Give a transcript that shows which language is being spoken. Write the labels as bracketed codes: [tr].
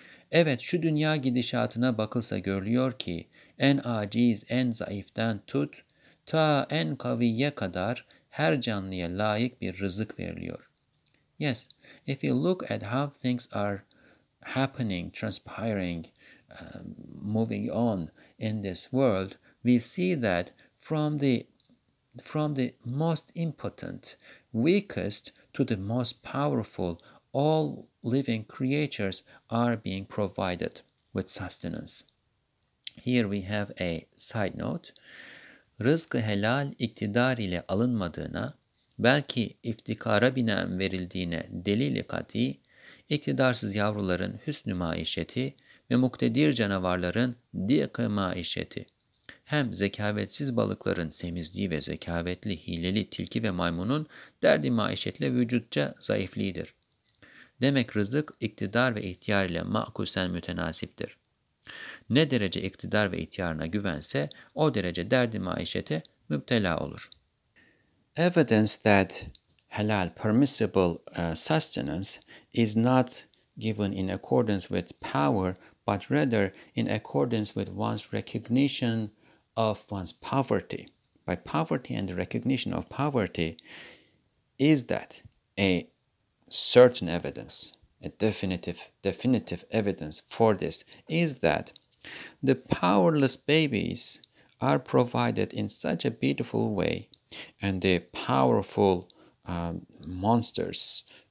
[tr] Evet, şu dünya gidişatına bakılsa görülüyor ki en aciz, en zayıftan tut ta en kaviye kadar her canlıya layık bir rızık veriliyor. [en] Yes, if you look at how things are happening, transpiring, moving on in this world, we see that from the most impotent, weakest, to the most powerful, all living creatures are being provided with sustenance. Here we have a side note. [tr] Rızkı helal iktidar ile alınmadığına, belki iftikara binaen verildiğine delili kat'i, iktidarsız yavruların hüsnü maişeti ve muktedir canavarların dikı maişeti. Hem zekavetsiz balıkların semizliği ve zekavetli, hileli tilki ve maymunun derdi maişetle vücutça zayıflığıdır. Demek rızık iktidar ve ihtiyar ile makusen mütenasiptir. Ne derece iktidar ve ihtiyarına güvense, o derece derdi maişete müptela olur. [en] Evidence that halal, permissible sustenance is not given in accordance with power, but rather in accordance with one's recognition of one's poverty. By poverty and the recognition of poverty, is that a certain evidence, a definitive evidence for this, is that the powerless babies are provided in such a beautiful way, and the powerful monsters,